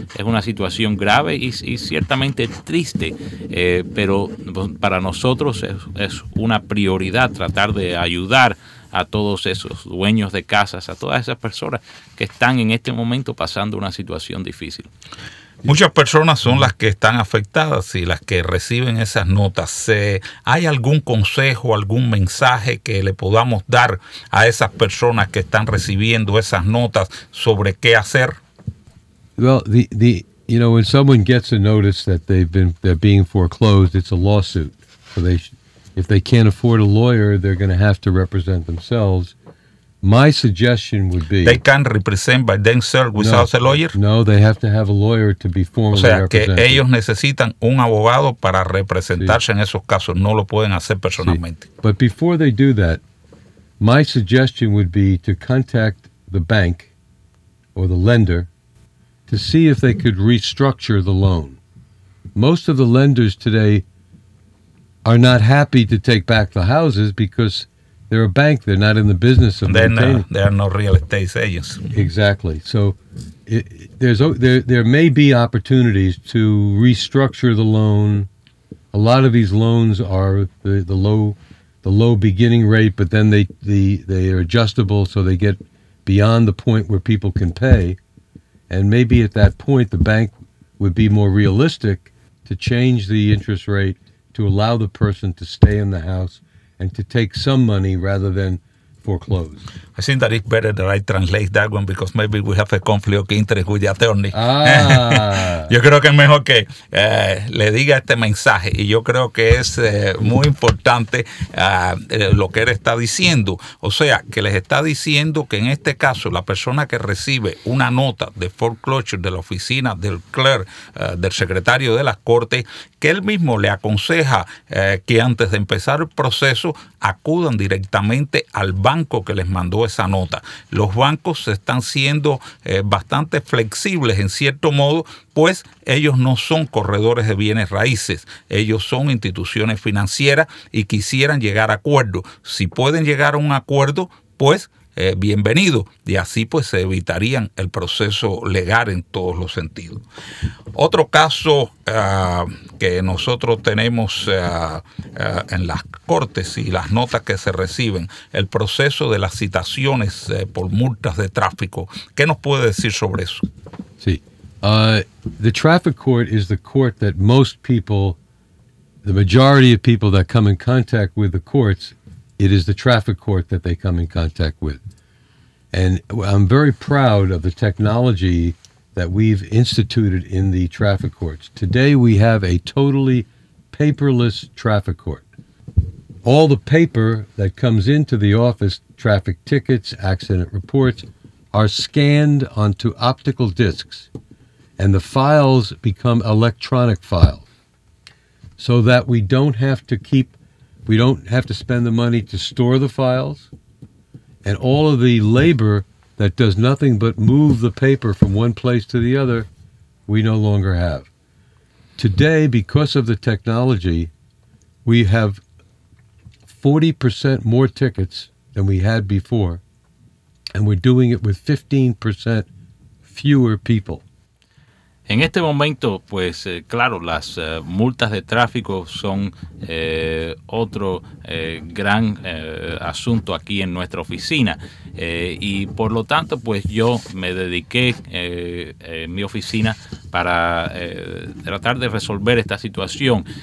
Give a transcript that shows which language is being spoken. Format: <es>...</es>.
<es>Es una situación grave y ciertamente triste, pero para nosotros es una prioridad tratar de ayudar a todos esos dueños de casas, a todas esas personas que están en este momento pasando una situación difícil. Muchas personas son las que están afectadas y las que reciben esas notas. ¿Hay algún consejo, algún mensaje que le podamos dar a esas personas que están recibiendo esas notas sobre qué hacer?</es> <en>Well, when someone gets a notice that they're being foreclosed, it's a lawsuit. So if they can't afford a lawyer, they're going to have to represent themselves. My suggestion would be they can't represent by themselves without a lawyer. No, they have to have a lawyer to be formally represented.</en> <es>O sea, que ellos necesitan un abogado para representarse en esos casos. No lo pueden hacer personalmente.</es> <en>See. But before they do that, my suggestion would be to contact the bank or the lender to see if they could restructure the loan. Most of the lenders today are not happy to take back the houses because they're a bank. They're not in the business of maintaining. They are no real estate agents. Exactly. So there may be opportunities to restructure the loan. A lot of these loans are the low beginning rate, but then they are adjustable, so they get beyond the point where people can pay. And maybe at that point, the bank would be more realistic to change the interest rate to allow the person to stay in the house and to take some money rather than foreclose. I think that it's better that I translate that one because maybe we have a conflict of interest with the attorney. Ah.</en> <es>Yo creo que es mejor que le diga este mensaje. Y yo creo que es muy importante lo que él está diciendo. O sea, que les está diciendo que en este caso, la persona que recibe una nota de foreclosure de la oficina del clerk, del secretario de las cortes, que él mismo le aconseja que antes de empezar el proceso acudan directamente al banco que les mandó esa nota. Los bancos están siendo bastante flexibles en cierto modo, pues ellos no son corredores de bienes raíces. Ellos son instituciones financieras y quisieran llegar a acuerdo. Si pueden llegar a un acuerdo, pues bienvenido. Y así pues se evitarían el proceso legal en todos los sentidos. Otro caso que nosotros tenemos en las cortes y las notas que se reciben, el proceso de las citaciones por multas de tráfico. ¿Qué nos puede decir sobre eso? Sí.</es> <en>The traffic court is the court that most people, the majority of people that come in contact with the courts, it is the traffic court that they come in contact with. And I'm very proud of the technology that we've instituted in the traffic courts. Today we have a totally paperless traffic court. All the paper that comes into the office, traffic tickets, accident reports, are scanned onto optical discs. And the files become electronic files so that we don't have to keep, we don't have to spend the money to store the files. And all of the labor that does nothing but move the paper from one place to the other, we no longer have. Today, because of the technology, we have 40% more tickets than we had before. And we're doing it with 15% fewer people.</en> <es>En este momento, pues claro, las multas de tráfico son otro gran asunto aquí en nuestra oficina. Y por lo tanto, pues yo me dediqué en mi oficina para tratar de resolver esta situación.</es>